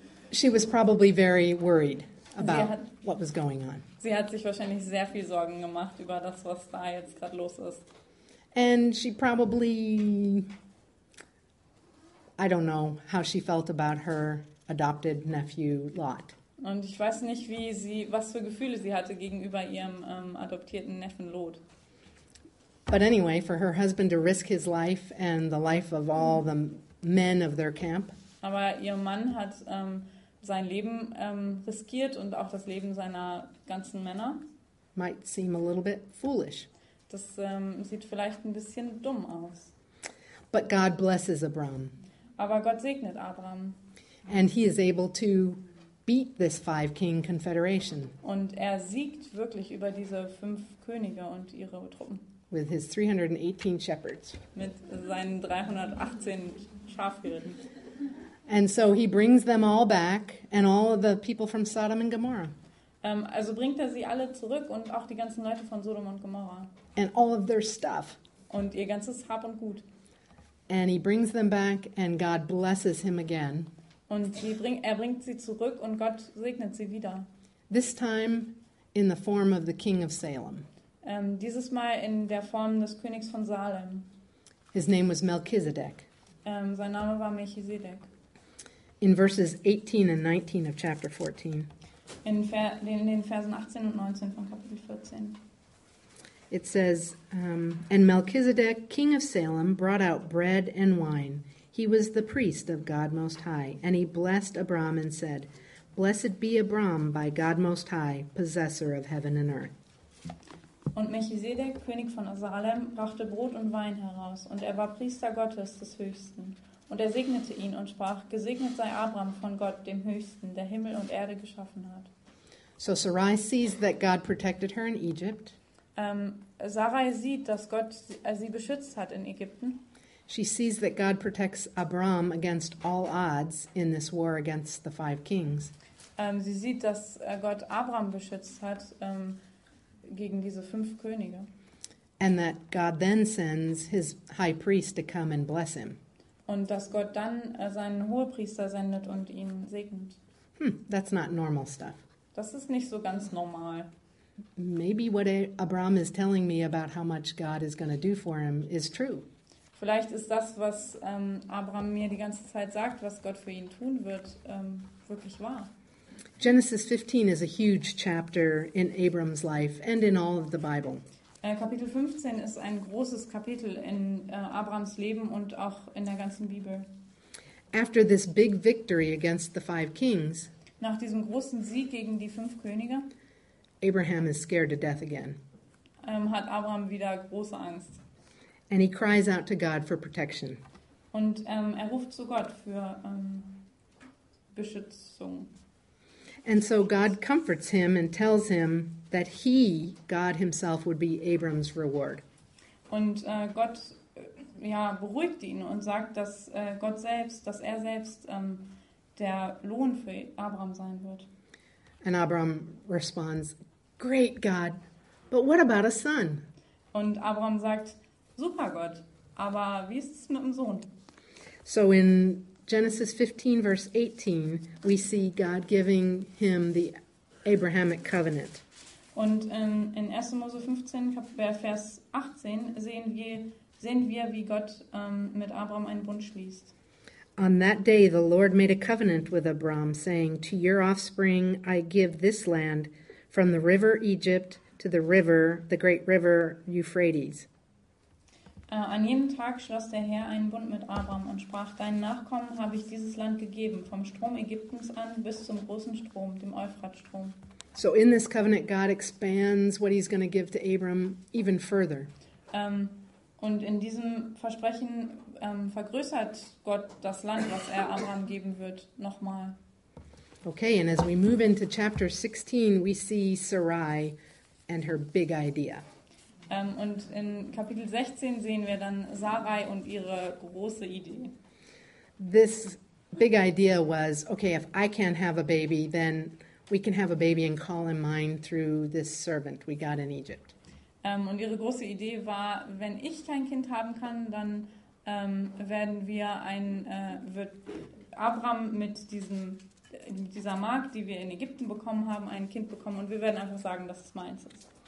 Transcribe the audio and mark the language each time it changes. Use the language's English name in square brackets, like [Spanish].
[English] She was probably very worried. about what was going on. [German] Sie hat sich wahrscheinlich sehr viel Sorgen gemacht über das, was da jetzt gerade los ist. [English] And she probably, I don't know how she felt about her adopted nephew Lot. [German] Und ich weiß nicht, wie sie, was für Gefühle sie hatte gegenüber ihrem adoptierten Neffen Lot. [English] But anyway, for her husband to risk his life and the life of all the men of their camp. [German] Aber ihr Mann hat sein Leben riskiert und auch das Leben seiner ganzen Männer. [English] Might seem a little bit foolish. [German] Das sieht vielleicht ein bisschen dumm aus. [English] But God blesses Abram. [German] Aber Gott segnet Abram. [English] And he is able to beat this five-king confederation. [German] Und er siegt wirklich über diese fünf Könige und ihre Truppen. [English] With his 318 shepherds. [German] Mit seinen 318 Schafhirten. [English] And so he brings them all back, and all of the people from Sodom and Gomorrah. [German] Also bringt er sie alle zurück und auch die ganzen Leute von Sodom und Gomorrah. [English] And all of their stuff. [German] Und ihr ganzes Hab und Gut. [English] And he brings them back, and God blesses him again. [German] Und er bringt sie zurück, und Gott segnet sie wieder. [English] This time in the form of the king of Salem. [German] Dieses Mal in der Form des Königs von Salem. [English] His name was Melchizedek. [German] Sein Name war Melchizedek. [English] In verses 18 and 19 of chapter 14. [German] In den Versen 18 und 19 von Kapitel 14. [English] It says, and Melchizedek, king of Salem, brought out bread and wine. He was the priest of God Most High, and he blessed Abram and said, blessed be Abram by God Most High, possessor of heaven and earth. [German] Und Melchisedek, König von Salem, brachte Brot und Wein heraus, und er war Priester Gottes des Höchsten. Und er segnete ihn und sprach, gesegnet sei Abram von Gott, dem Höchsten, der Himmel und Erde geschaffen hat. [English] So Sarai sees that God protected her in Egypt. [German] Sarai sieht, dass Gott sie beschützt hat in Ägypten. [English] She sees that God protects Abram against all odds in this war against the five kings. [German] Sie sieht, dass Gott Abram beschützt hat, gegen diese fünf Könige. [English] And that God then sends his high priest to come and bless him. [German] Und dass Gott dann seinen Hohepriester sendet und ihn segnet. [English] That's not normal stuff. [German] Das ist nicht so ganz normal. [English] Maybe what Abram is telling me about how much God is going to do for him is true. [German] Vielleicht ist das, was Abram mir die ganze Zeit sagt, was Gott für ihn tun wird, wirklich wahr. [English] Genesis 15 is a huge chapter in Abram's life and in all of the Bible. [German] Kapitel 15 ist ein großes Kapitel in Abrams Leben und auch in der ganzen Bibel. [English] After this big victory against the five kings, [German] nach diesem großen Sieg gegen die fünf Könige, [English] Abraham is scared to death again. [German] Hat Abraham wieder große Angst. [English] And he cries out to God for protection. [German] Und er ruft zu Gott für Beschützung. [English] And so God comforts him and tells him that he, God himself, would be Abram's reward. [German] Und Gott beruhigt ihn und sagt, dass Gott selbst, dass er selbst der Lohn für Abram sein wird. [English] And Abram responds, great God, but what about a son? [German] Und Abram sagt, super Gott, aber wie ist es mit dem Sohn? [English] So in Genesis 15, verse 18, we see God giving him the Abrahamic covenant. [German] Und in 1. Mose 15, Vers 18, sehen wir, wie Gott mit Abram einen Bund schließt. [English] On that day, the Lord made a covenant with Abram, saying, to your offspring I give this land, from the river Egypt to the river, the great river Euphrates. [German] An jenem Tag schloss der Herr einen Bund mit Abram und sprach, deinen Nachkommen habe ich dieses Land gegeben, vom Strom Ägyptens an bis zum großen Strom, dem Euphratstrom. [English] So in this covenant, God expands what he's going to give to Abram even further. [German] Und in diesem Versprechen vergrößert Gott das Land, was er Abram geben wird, nochmal. [English] Okay, and as we move into chapter 16, we see Sarai and her big idea. [German] Und in Kapitel 16 sehen wir dann Sarai und ihre große Idee. [English] This big idea was, okay, if I can't have a baby, then we can have a baby and call him mine through this servant we got in Egypt. [German] Und ihre große Idee war, wenn ich kein Kind haben kann, dann werden wir ein, wird Abraham mit dieser Mark, die wir in Ägypten bekommen haben, ein Kind bekommen und wir werden einfach sagen, dass es meins ist.